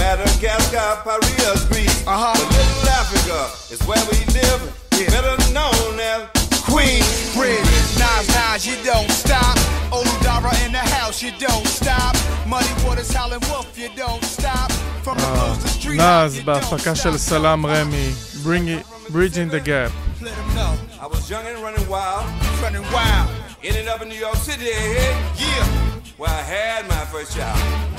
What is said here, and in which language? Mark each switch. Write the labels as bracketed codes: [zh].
[en] Madagascar, Paris, Greece. Uh-huh. But little Africa is where we live, yeah. Better known as Queensbridge. Nas, Nas, you don't stop. Olu Dara in the house, you don't stop. Muddy Waters, Howlin' Wolf, you don't stop. [he] נאז בהפקה של סלאם רמי, Bridge in the Gap. [en] I was young and running wild, running wild. Ended up in New York City, yeah, where I had my first child.